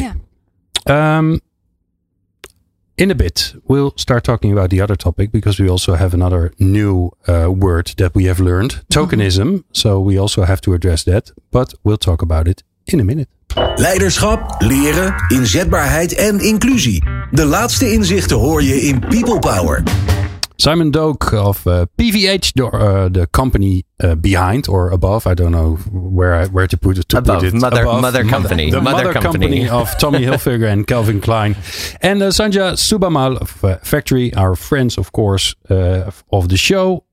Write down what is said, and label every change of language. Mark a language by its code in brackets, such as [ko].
[en] Yeah. In a bit, we'll start talking about the other topic because we also have another new word that we have learned, tokenism. Mm-hmm. So we also have to address that, but we'll talk about it in a minute. [nl] Leiderschap, leren, inzetbaarheid en inclusie. De laatste inzichten hoor je in People Power. [en] Simon Doak of PVH, the company behind or above, I don't know where to put it. To above, put it mother, above, mother company. The mother company of Tommy Hilfiger and Calvin Klein. And Sanja Subamal of Factory, our friends, of course, of the show.